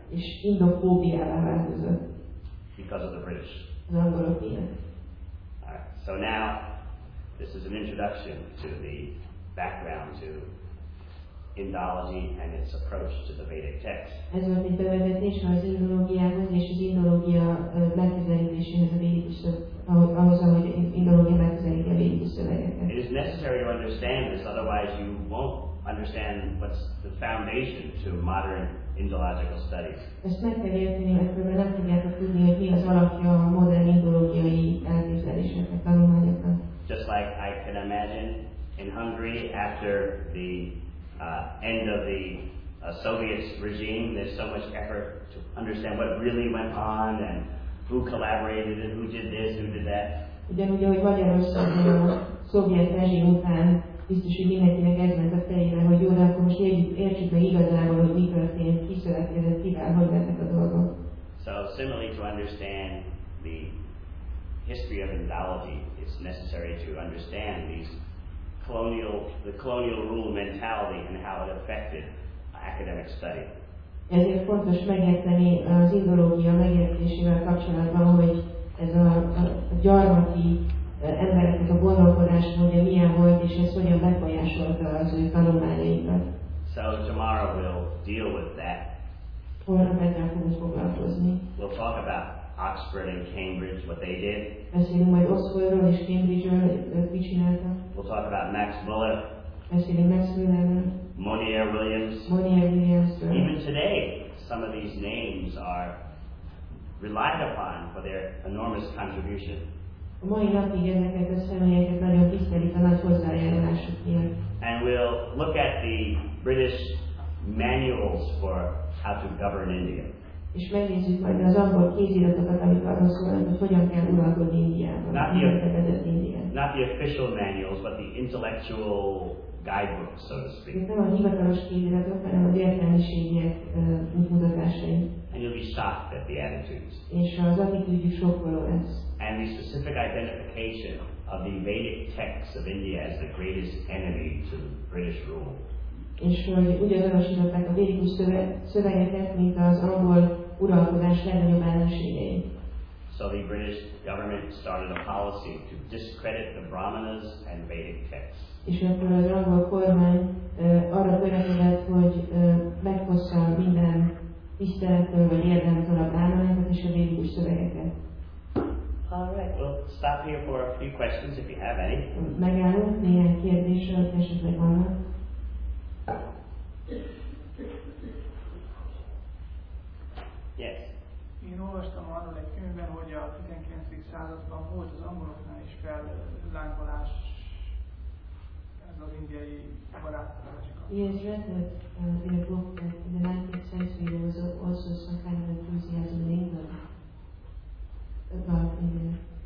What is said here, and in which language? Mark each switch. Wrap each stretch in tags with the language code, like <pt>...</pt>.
<hu>És Indophobiává változott.</hu> <en>Because of the British.</en> <hu>Az angolok miatt.</hu> <en>Alright, so now this is an introduction to the background to Indology and its approach to the Vedic text.</en> <hu>Ez volt egy bevezetés az indológiához és az indológia megközelítéséhez a Vedic szöveg, ahhoz, ahogy indológia megközelíti a Vedic szövegeket.</hu> <en>It is necessary to understand this, otherwise you won't understand what's the foundation to modern Indological studies.</en> <hu>Ezt meg kell érteni, mert különben nem tudjátok tudni, hogy mi az alapja a modern indológiai elképzeléseknek, tanulmányoknak.</hu> <en>Just like I can imagine in Hungary after the end of the Soviet regime, there's so much effort to understand what really went on and who collaborated and who did this, who did that.</en> <hu>Ugyanúgy, ahogy Magyarországon a szovjet rezsim után biztos, hogy mindenkinek ez ment a fejében, hogy jó, de akkor most értsük be igazából, hogy mi történt, ki szövetkezett, kivel, hogy lettek a dolgok.</hu> <en>So similarly to understand the history of Indology, it's necessary to understand these colonial rule mentality and how it affected academic study.</en> <hu>Ezért fontos megérteni az indológia megértésével kapcsolatban, hogy ez a gyarmati embereknek a gondolkodás, hogy milyen volt, és ez hogyan befolyásolta az ő tanulmányaikat.</hu> <en>So tomorrow we'll deal with that.</en> <hu>Holnap ezzel fogunk foglalkozni.</hu> <en>We'll talk about Oxford and Cambridge, what they did.</en> <hu>Beszélünk majd Oxfordról és Cambridgeről, hogy mit csináltak.</hu> <en>We'll talk about Max Müller.</en> <hu>Beszélünk Max Müllerről. Monier Williamsről.</hu> <en>Even today, some of these names are relied upon for their enormous contribution.</en> <hu>A mai napig ezeket a személyeket nagyon tisztelik a nagy hozzájárulásuk miatt.</hu> <en>And we'll look at the British manuals for how to govern India.</en> <hu>És megnézzük majd az angol kéziratokat, amik arról szólnak, hogy hogyan kell uralkodni Indiában.</hu> <en>Not the official manuals, but the intellectual guidebooks, so to speak.</en> <hu>Nem a hivatalos kéziratok, hanem az értelmiségiek útmutatásai.</hu> <en>And you'll be shocked at the attitudes.</en> <hu>És az attitűdjük sokkoló lesz.</hu> <en>And the specific identification of the Vedic texts of India as the greatest enemy to British rule.</en> <hu>És hogy ugye azonosították a védikus szövegeket, mint az angol uralkodás legnagyobb ellenségei.</hu> <en>So the British government started a policy to discredit the Brahmanas and Vedic texts.</en> <hu>És akkor az angol kormány arra törekedett, hogy megfossza minden tisztelettől vagy érdemtől a brahmanokat és a védikus szövegeket.</hu> <en>Alright, we'll stop here for a few questions if you have any.</en> <hu>Megállunk néhány kérdésre, hogy esetleg vannak.</hu> <en>Yes. You know,</en> <hu>olvastam arról egy könyvben, hogy a 19. században volt az angoloknál is fellángolás ez az indiai barátságra.</hu> <en>He has read that in a book that in the 19th century there was also some kind of enthusiasm in England about India.</en>